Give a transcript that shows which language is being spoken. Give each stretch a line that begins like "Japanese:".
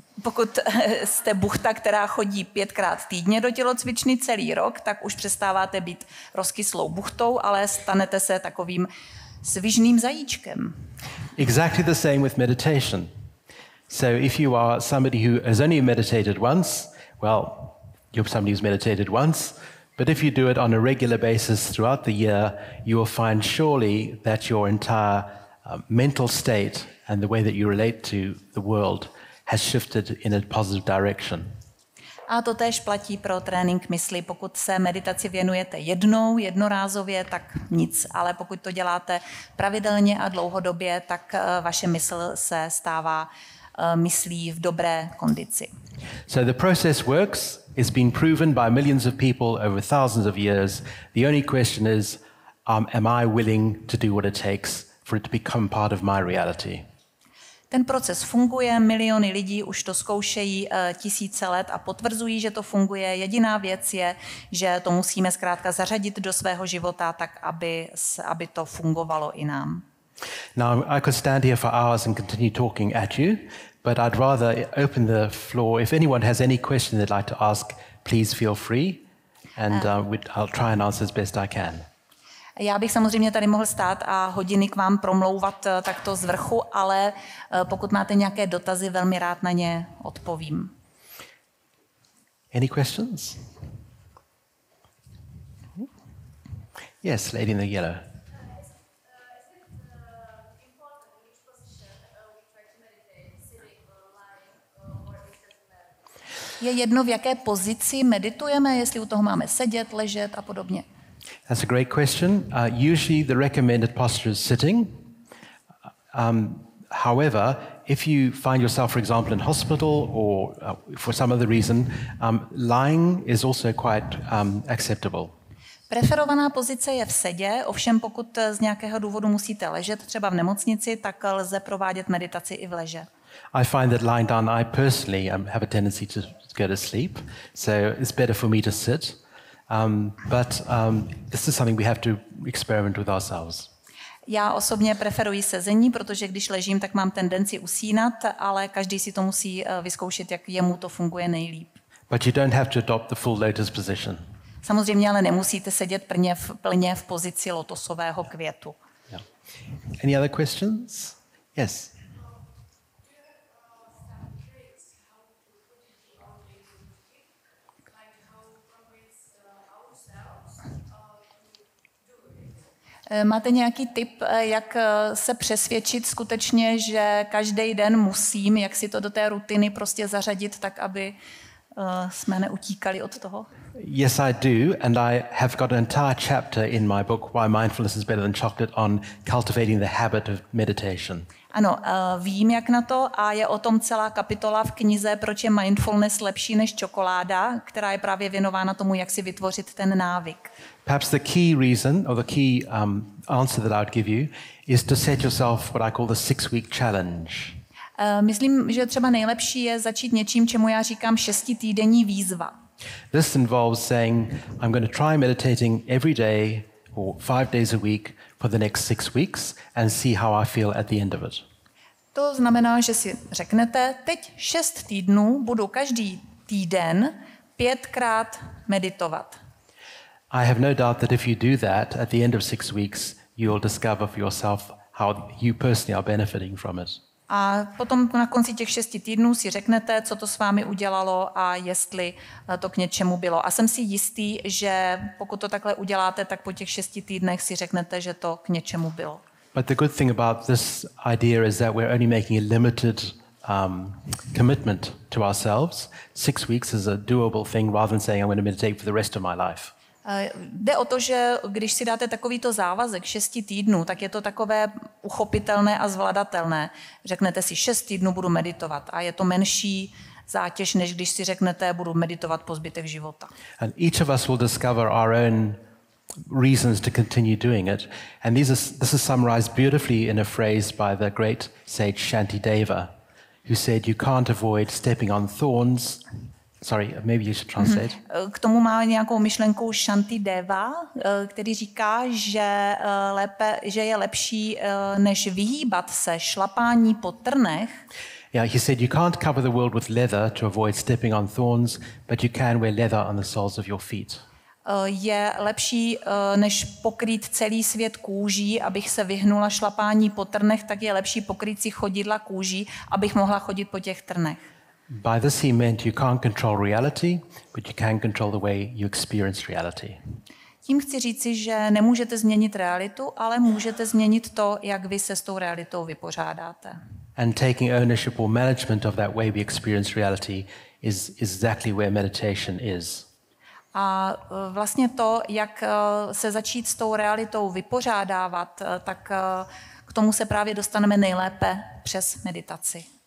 Czech: Pokud jste buchta, která chodí 5x týdně do tělocvičny celý rok, tak už přestáváte být rozkyslou buchtou, ale stanete se takovým svižným zajíčkem.
English: Exactly the same with meditation. So if you are somebody who has only meditated once, well, you're somebody who's meditated once, but if you do it on a regular basis throughout the year, you will find surely that your entire mental state and the way that you relate to the world has shifted in a positive direction.
Czech: A to též platí pro trénink mysli. Pokud se meditaci věnujete jednou, jednorázově, tak nic. Ale pokud to děláte pravidelně a dlouhodobě, tak vaše mysl se stává myslí v dobré kondici.
English: So the process works. It's been proven by millions of people over thousands of years. The only question is, am I willing to do what it takes for it to become part of my reality?
Czech: Ten proces funguje, miliony lidí už to zkoušejí tisíce let a potvrzují, že to funguje. Jediná věc je, že to musíme zkrátka zařadit do svého života tak, aby to fungovalo i nám.
English: Now, I could stand here for hours and continue talking at you, but I'd rather open the floor. If anyone has any question they'd like to ask, please feel free, and I'll try and answer as best I can.
Czech: Já bych samozřejmě tady mohl stát a hodiny k vám promlouvat takto z vrchu, ale pokud máte nějaké dotazy, velmi rád na ně odpovím.
English: Any questions? Yes, lady in the yellow.
Czech: Je jedno, v jaké pozici meditujeme, jestli u toho máme sedět, ležet a podobně.
English: That's a great question. Usually the recommended posture is sitting. However, if you find yourself, for example, in hospital or for some other reason, lying is also quite acceptable.
Czech: Preferovaná pozice je v sedě, ovšem pokud z nějakého důvodu musíte ležet, třeba v nemocnici, tak lze provádět meditaci i v leže.
English: I find that lying down, I personally have a tendency to go to sleep, so it's better for me to sit. But this is something we have to experiment with ourselves.
Czech: Já osobně preferuji sezení, protože když ležím, tak mám tendenci usínat, ale každý si to musí vyzkoušet, jak jemu to funguje nejlíp.
English: But you don't have to adopt the full lotus position.
Czech: Samozřejmě, ale nemusíte sedět plně v pozici lotosového květu.
English: Yeah. Any other questions? Yes.
Czech: Máte nějaký tip, jak se přesvědčit skutečně, že každý den musím, jak si to do té rutiny prostě zařadit, tak aby jsme neutíkali od toho?
English: Yes, I do, and I have got an entire chapter in my book Why Mindfulness is Better than Chocolate on cultivating the habit of meditation.
Czech: Ano, vím, jak na to, a je o tom celá kapitola v knize Proč je mindfulness lepší než čokoláda, která je právě věnována tomu, jak si vytvořit ten návyk.
English: Perhaps the key reason or the key answer that I would give you is to set yourself what I call the 6-week challenge.
Czech: Myslím, že třeba nejlepší je začít něčím, čemu já říkám 6-týdenní výzva.
English: This involves saying I'm going to try meditating every day or 5 days a week for the next 6 weeks and see how I feel at the end of it.
Czech: To znamená, že si řeknete, teď 6 týdnů budu každý týden 5x meditovat.
English: I have no doubt that if you do that at the end of 6 weeks, you'll discover for yourself how you personally are benefiting from it.
Czech: A potom na konci těch 6 týdnů si řeknete, co to s vámi udělalo a jestli to k něčemu bylo. A jsem si jistý, že pokud to takhle uděláte, tak po těch 6 týdnech si řeknete, že to k něčemu bylo.
English: But the good thing about this idea is that we're only making a limited commitment to ourselves. 6 weeks is a doable thing rather than saying I'm going to meditate for the rest of my life.
Czech: Jde o to, že když si dáte takovýto závazek 6 týdnů, tak je to takové uchopitelné a zvladatelné. Řeknete si 6 týdnů budu meditovat a je to menší zátěž, než když si řeknete budu meditovat po zbytek života.
English: And each of us will discover our own reasons to continue doing it. And this is summarized beautifully in a phrase by the great sage Shantideva, who said you can't avoid stepping on thorns. Sorry, maybe you should translate.
Czech: K tomu má nějakou myšlenku Shantideva, který říká, že je lepší než vyhýbat se šlapání po trnech.
English: Yeah, he said you can't cover the world with leather to avoid stepping on thorns, but you can wear leather on the soles of your feet.
Czech: Je lepší než pokrýt celý svět kůží, abych se vyhnula šlapání po trnech, tak je lepší pokrýt si chodidla kůží, abych mohla chodit po těch trnech.
English: By this he meant you can't control reality, but you can control the way you experience reality.
Czech: Tím chci říci, že nemůžete změnit realitu, ale můžete změnit to, jak vy se s tou realitou vypořádáte.
English: And taking ownership or management of that way we experience reality is exactly where meditation is.
Czech: A vlastně to, jak se začít s tou realitou vypořádávat, tak k tomu se právě dostaneme nejlépe přes meditaci.